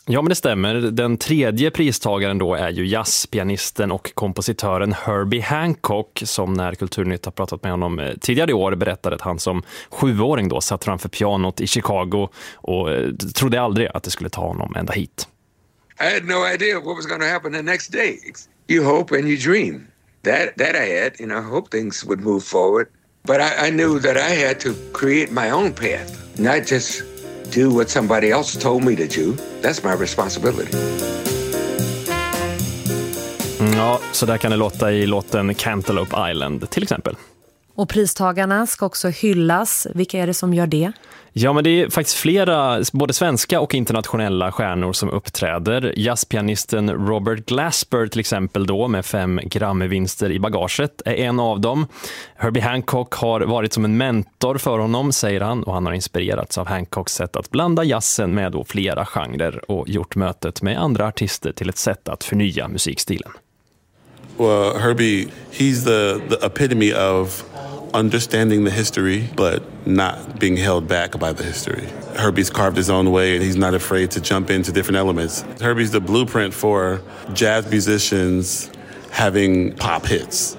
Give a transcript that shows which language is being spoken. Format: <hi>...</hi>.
<sv>Ja, men det stämmer. Den tredje pristagaren då är ju jazzpianisten och kompositören Herbie Hancock, som när Kulturnytt har pratat med honom tidigare i år berättade att han som sjuåring då satt framför pianot i Chicago och trodde aldrig att det skulle ta honom ända hit.</sv> <en>I had no idea what was going to happen the next day. You hope and you dream. That I had, and I hope things would move forward. But I knew that I had to create my own path, not just do what somebody else told me to do. That's my responsibility.</en> <sv>Ja, så där kan det låta i låten Cantaloupe Island, till exempel. Och pristagarna ska också hyllas. Vilka är det som gör det? Ja, men det är faktiskt flera, både svenska och internationella stjärnor som uppträder. Jazzpianisten Robert Glasper till exempel då, med 5 Grammy-vinster i bagaget, är en av dem. Herbie Hancock har varit som en mentor för honom, säger han, och han har inspirerats av Hancocks sätt att blanda jazzen med då flera genrer och gjort mötet med andra artister till ett sätt att förnya musikstilen.</sv> <en>Well, Herbie, he's the epitome of understanding the history, but not being held back by the history. Herbie's carved his own way, and he's not afraid to jump into different elements. Herbie's the blueprint for jazz musicians having pop hits.</en>